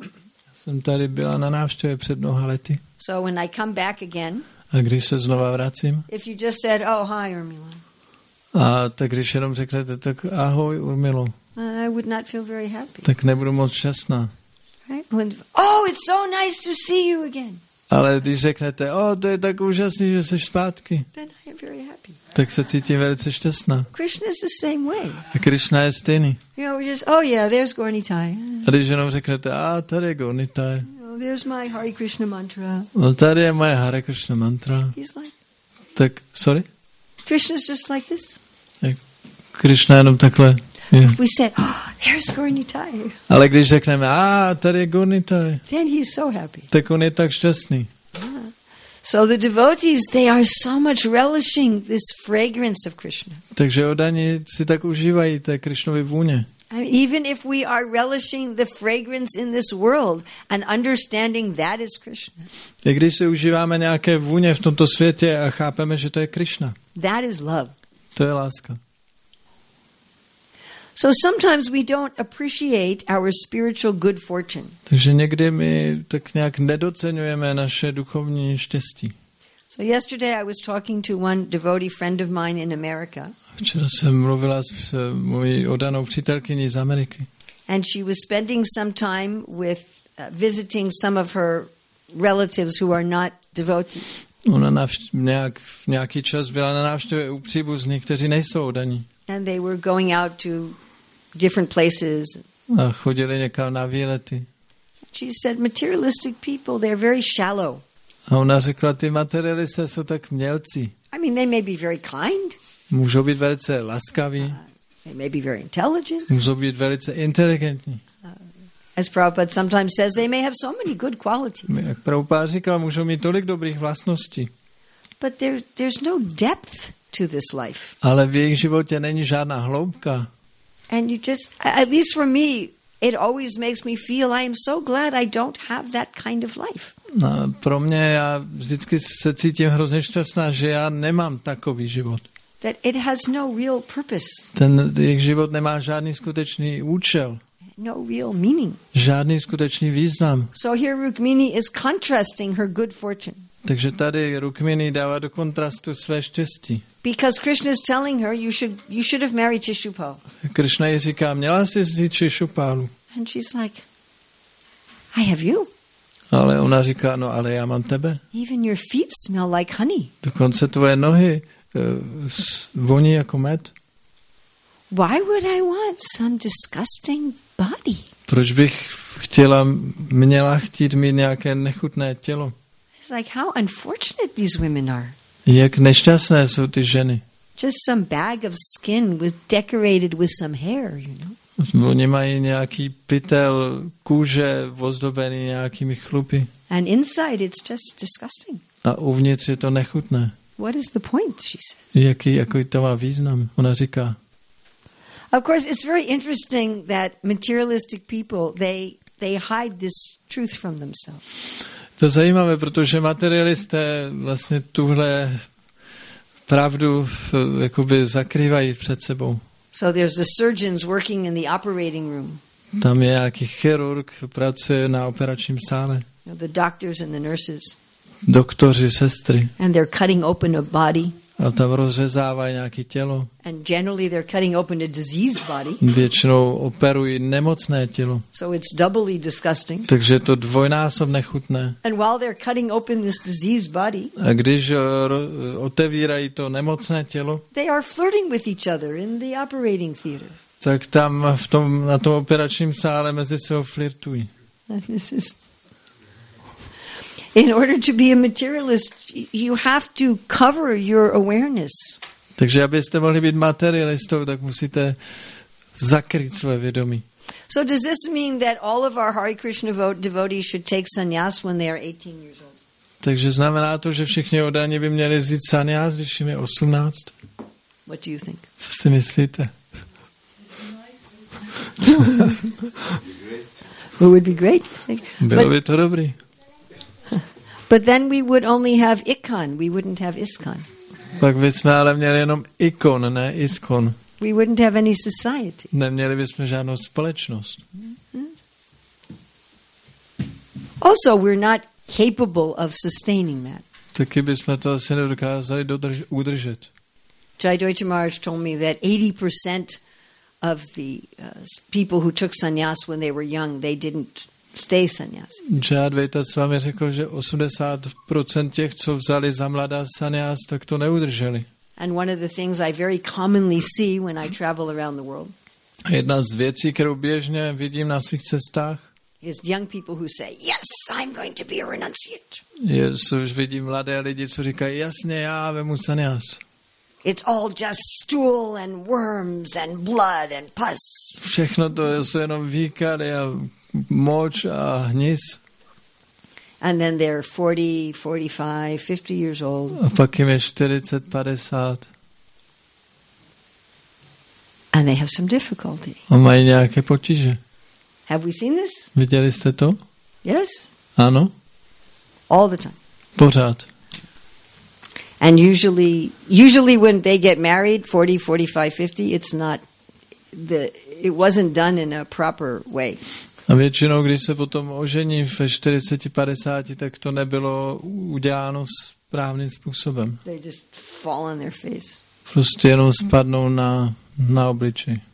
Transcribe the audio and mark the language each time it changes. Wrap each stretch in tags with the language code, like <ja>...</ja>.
<cs>Já jsem tady byla na návštěvě před mnoha lety.</cs> <en>So when I come back again.</en> <cs>A když se znova vracím.</cs> <en>If you just said, oh, hi, Urmila.</en> <cs>A tak když jenom řeknete, tak ahoj, Urmilo.</cs> <en>I would not feel very happy.</en> <cs>Tak nebudu moc šťastná.</cs> <en>Right? Oh, it's so nice to see you again.</en> <cs>Ale když řeknete, to je tak úžasný, že jsi zpátky.</cs> <en>Then I am very happy.</en> <cs>Tak se cítím velice šťastná.</cs> <en>Krishna is the same way.</en> <cs>A Krishna je stejný.</cs> <en>You know, just, oh yeah, there's Gornitai.</en> <cs>A když jenom řeknete, tady je Gornitai.</cs> <en>Oh, there's my Hare Krishna mantra.</en> <cs>No, tady je moje Hare Krishna mantra.</cs> <en>He's like.</en> <cs>Tak,</cs> <en>sorry? Krishna is just like this.</en> <cs>Krishna jenom takhle.</cs> <en>Yeah. We said, oh, Here's Gurnitai.</en> <cs>Ale když řekneme, tady je Gurnitai.</cs> <en>Then he's so happy.</en> <cs>Tak on je tak šťastný.</cs> <en>So the devotees, they are so much relishing this fragrance of Krishna.</en> <cs>Takže oddaní si tak užívají té Krišnovy vůně.</cs> <en>I mean, even if we are relishing the fragrance in this world and understanding that is Krishna.</en> <cs>I když si užíváme nějaké vůně v tomto světě a chápeme, že to je Krishna.</cs> <en>That is love.</en> <cs>To je láska.</cs> <en>So sometimes we don't appreciate our spiritual good fortune.</en> <cs>Takže někdy my tak nějak nedoceňujeme naše duchovní štěstí.</cs> <en>So yesterday I was talking to one devotee friend of mine in America.</en> <cs>Včera jsem mluvila s mojí oddanou přítelkyní z Ameriky.</cs> <en>And she was spending some time with visiting some of her relatives who are not devotees.</en> <cs>Ona nějaký čas byla na návštěvě u příbuzných, kteří nejsou oddaní.</cs> <en>And they were going out to different places.</en> <cs>A chodili někam na výlety.</cs> <en>She said materialistic people, they're very shallow.</en> <cs>A ona řekla, ty materialisté jsou tak mělci.</cs> <en>I mean, they may be very kind.</en> <cs>Můžou být velice laskaví.</cs> <en>They may be very intelligent.</en> <cs>Můžou být velice inteligentní.</cs> <en>As Prabhupada sometimes says, they may have so many good qualities.</en> <cs>Jak Prabhupada říkal, můžou mít tolik dobrých vlastností.</cs> <en>But there's no depth to this life.</en> <cs>Ale v jejich životě není žádná hloubka.</cs> <en>And you just, at least for me, it always makes me feel I am so glad I don't have that kind of life.</en> <cs>No, pro mě já vždycky se cítím hrozně šťastná, že já nemám takový život.</cs> <en>That it has no real purpose.</en> <cs>Ten jejich život nemá žádný skutečný účel.</cs> <en>No real meaning.</en> <cs>Žádný skutečný význam.</cs> <en>So here Rukmini is contrasting her good fortune.</en> <cs>Takže tady Rukmini dává do kontrastu své štěstí.</cs> <en>Because Krishna is telling her you should have married Shishupal.</en> <cs>Krishna jí říká, měla jsi vzít Shishupalu.</cs> <en>And she's like, I have you.</en> <cs>Ale ona říká, no ale já mám tebe.</cs> <en>Even your feet smell like honey.</en> <cs>Dokonce tvoje nohy voní jako med.</cs> <en>Why would I want some disgusting body?</en> <cs>Proč bych měla chtít mít nějaké nechutné tělo?</cs> <en>It's like how unfortunate these women are.</en> <cs>Jak nešťastné jsou ty ženy.</cs> <en>Just some bag of skin was decorated with some hair, you know.</en> <cs>Oni mají nějaký pytel kůže ozdobený nějakými chlupy.</cs> <en>And inside it's just disgusting.</en> <cs>A uvnitř je to nechutné.</cs> <en>What is the point, she says.</en> <cs>Jaký to má význam, ona říká.</cs> <en>Of course, it's very interesting that materialistic people, they hide this truth from themselves.</en> <cs>To je zajímavé, protože materialisté vlastně tuhle pravdu jakoby zakrývají před sebou.</cs> <en>So there's the surgeons working in the operating room.</en> <cs>Tam je nějaký chirurg, pracuje na operačním sále.</cs> <en>You know, the doctors and the nurses.</en> <cs>Doktoři, sestry.</cs> <en>And they're cutting open a body.</en> <cs>A tam rozřezávají nějaké tělo.</cs> <en>And generally they're cutting open a diseased body.</en> <cs>Většinou operují nemocné tělo.</cs> <en>So it's doubly disgusting.</en> <cs>Takže je to dvojnásob nechutné.</cs> <en>And while they're cutting open this diseased body.</en> <cs>A když otevírají to nemocné tělo.</cs> <en>They are flirting with each other in the operating theater.</en> <cs>Tak tam na tom operačním sále mezi sebou flirtují.</cs> <en>In order to be a materialist, you have to cover your awareness.</en> <cs>Takže abyste mohli být materialistou, tak musíte zakrýt své vědomí.</cs> <en>So does this mean that all of our Hare Krishna devotees should take sannyas when they are 18 years old?</en> <cs>Takže znamená to, že všichni oddaní by měli vzít sannyas, když jim je 18?</cs> <en>What do you think?</en> <cs>Co si myslíte?</cs> <en>It would be great.</en> <cs>Bylo by to dobrý.</cs> <en>But then we would only have ikon, we wouldn't have iskon.</en> <cs>Tak bychom ale měli jenom ikon, ne iskon.</cs> <en>We wouldn't have any society.</en> <cs>Neměli bychom žádnou společnost.</cs> <en>Mm-hmm. Also, we're not capable of sustaining that.</en> <cs>Taky bychom to asi nedokázali udržet.</cs> <en>Jayadeva Maharaj told me that 80% of the people who took sannyas when they were young, they didn't stay sannyas.</en> <cs>Jayadvaita s vámi řekl, že 80% těch, co vzali za mladá sannyas, tak to neudrželi.</cs> <en>And one of the things I very commonly see when I travel around the world.</en> <cs>Jedna z věcí, kterou běžně vidím na svých cestách.</cs> <en>Is young people who say, "Yes, I'm going to be a renunciate."</en> <cs>Jsou, vidím mladé lidi, co říkají, jasně, já vezmu sannyas.</cs> <en>It's all just stool and worms and blood and pus.</en> <cs>Všechno to jsou jenom výkaly a moč a hnis.</cs> <en>And then they're 40, 45, 50 years old.</en> <cs>A pak jim je 40, 50.</cs> <en>And they have some difficulty.</en> <cs>A mají nějaké potíže.</cs> <en>Have we seen this?</en> <cs>Viděli jste to?</cs> <en>Yes.</en> <cs>Ano.</cs> <en>All the time.</en> <cs>Pořád.</cs> <en>And usually when they get married, 40, 45, 50, it's not the it wasn't done in a proper way.</en> <cs>A většinou, když se potom ožení ve 40, 50, tak to nebylo uděláno správným způsobem.</cs> <en>They just fall on their face.</en> <cs>Prostě jenom spadnou na obličej.</cs>